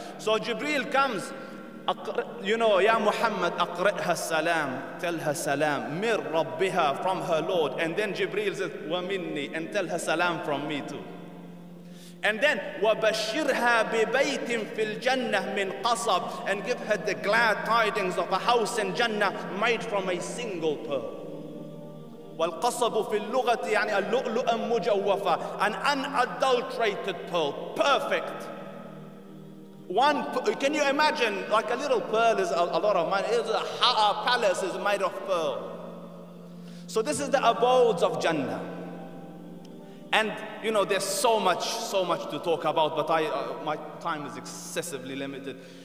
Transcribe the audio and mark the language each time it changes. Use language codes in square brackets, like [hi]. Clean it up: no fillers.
[en] So Jibreel comes. You know, Ya Muhammad, [ar] aqra'ha salam, [en] tell her salam, [ar] mir rabbiha, [en] from her Lord. And then Jibreel says, [ar] wa minni, [en] and tell her salam from me too. And then, [ar] wa bashirha bi baytin fil jannah min qasab, [en] and give her the glad tidings of a house in Jannah made from a single pearl. [ar] والقصب في اللغة يعني اللؤلؤ المجوفة, [en] an unadulterated pearl, perfect. One, can you imagine, like a little pearl is a lot of money. It's a palace is made of pearl. So this is the abodes of Jannah. And you know, there's so much to talk about, but my time is excessively limited.